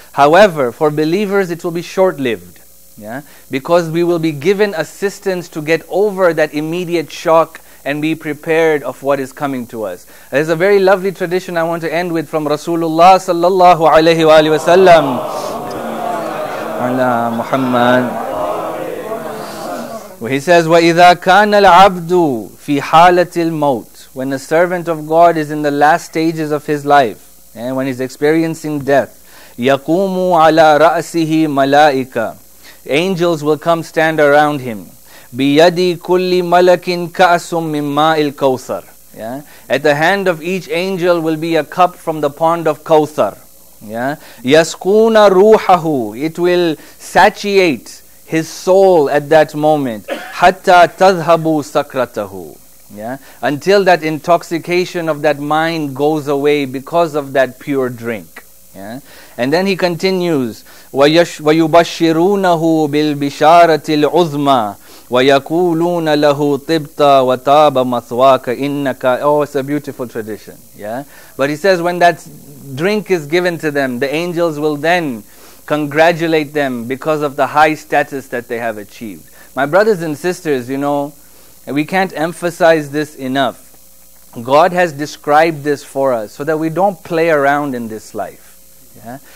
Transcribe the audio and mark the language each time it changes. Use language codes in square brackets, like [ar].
[en] However, for believers, it will be short-lived. Yeah, because we will be given assistance to get over that immediate shock and be prepared of what is coming to us. There's a very lovely tradition I want to end with from Rasulullah sallallahu alayhi wa alayhi wa sallam. Allah Muhammad. He says, [ar] وَإِذَا كَانَ الْعَبْدُ فِي حَالَةِ الْمَوْتِ. [en] When a servant of God is in the last stages of his life, and when he's experiencing death, [ar] يَقُومُ عَلَى رَأْسِهِ مَلَائِكَ. [en] Angels will come stand around him. [ar] بِيَدِي كُلِّ مَلَكٍ كَأْسٌ مِّن مَّاءِ الْكَوْثَرِ. [en] Yeah? At the hand of each angel will be a cup from the pond of Kawthar. Yeah? [ar] يَسْكُونَ رُوحَهُ. [en] It will satiate his soul at that moment. [ar] حَتَّى تَذْهَبُ سَكْرَتَهُ. [en] Yeah? Until that intoxication of that mind goes away because of that pure drink. Yeah? And then he continues, [ar] وَيُبَشِّرُونَهُ بِالْبِشَارَةِ الْعُظْمَى وَيَقُولُونَ لَهُ طِبْتَ وَتَابَ مَثْوَاكَ إِنَّكَ. [en] Oh, it's a beautiful tradition. Yeah? But he says when that drink is given to them, the angels will then congratulate them because of the high status that they have achieved. My brothers and sisters, you know, we can't emphasize this enough. God has described this for us so that we don't play around in this life. Yeah?